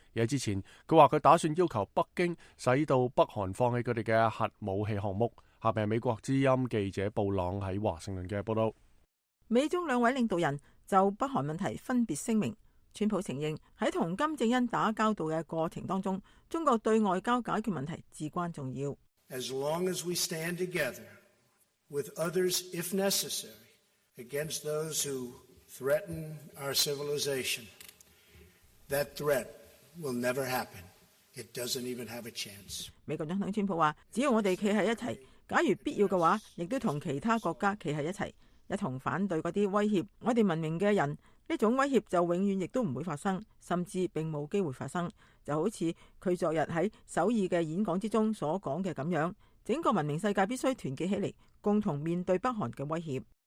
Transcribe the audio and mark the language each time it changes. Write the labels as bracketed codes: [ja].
[zh] 而之前他说，他打算要求北京使到北韩放弃他们的核武器项目。下面是美国之音记者布朗在华盛顿的报道。美中两位领导人就北韩问题分别声明，川普承认在和金正恩打交道的过程当中，中国对外交解决问题至关重要。 [en] As long as we stand together with others if necessary,against those who threaten our civilization, that threat will never happen. It doesn't even have a chance. [zh] 美国总统川普说，只要我们站在一起，假如必要的话，亦都同其他国家站在一起，一同反对那些威胁我们文明的人，这种威胁就永远亦都不会发生，甚至并没有机会发生。就好像他昨日在首尔的演讲之中所讲的这样，整个文明世界必须团结起来，共同面对北韩的威胁。